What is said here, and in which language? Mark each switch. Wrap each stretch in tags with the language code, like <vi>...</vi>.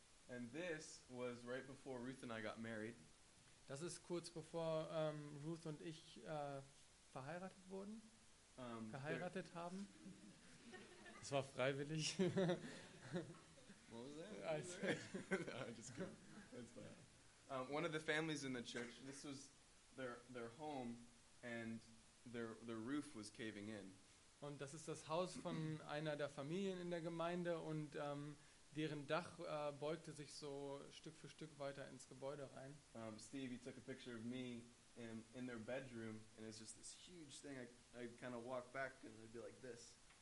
<en>And this was right before Ruth and I got married.</en> <de>Das ist kurz bevor Ruth und ich verheiratet wurden, geheiratet haben. Es war freiwillig.</de> <en>What was that? I just kidding. That's fine. One of the families in the church, this was their home, and their roof was caving in.</en> <de>Und das ist das Haus von einer der Familien in der Gemeinde und deren Dach beugte sich so Stück für Stück weiter ins Gebäude rein.</de> <en>Steve, he took a picture of me in their bedroom, and it's just this huge thing. I'd kind of walk back, and it'd be like this.</en>